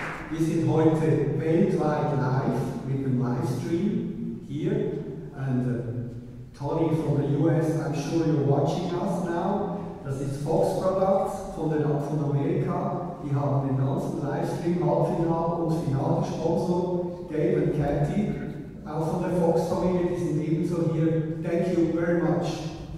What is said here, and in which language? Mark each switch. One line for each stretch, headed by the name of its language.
German: Wir sind heute weltweit live mit dem Livestream hier.
English: And Tony from the US, I'm sure you're watching us now.
German: Das ist Fox Products von Amerika. Die haben den ganzen Livestream, Halbfinale und Finale gesponsert. Dave und Katie, auch von der Fox-Familie, die sind ebenso hier.
English: Thank you very much.